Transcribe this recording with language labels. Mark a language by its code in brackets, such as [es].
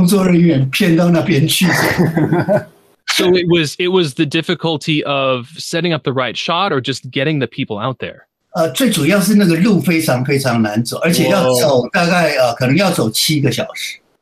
[zh] 我们现在后来拍的都已经是确定的，可是你知道我们有找到一些地方是很美的，可是我们放弃了，因为我知道到时候拍是要把这些演员跟工作人员骗到那边去。 [en] So it was the difficulty of setting up the right shot or just getting the people out there? [zh] 最主要是那个路非常非常难走，而且要走大概可能要走7个小时。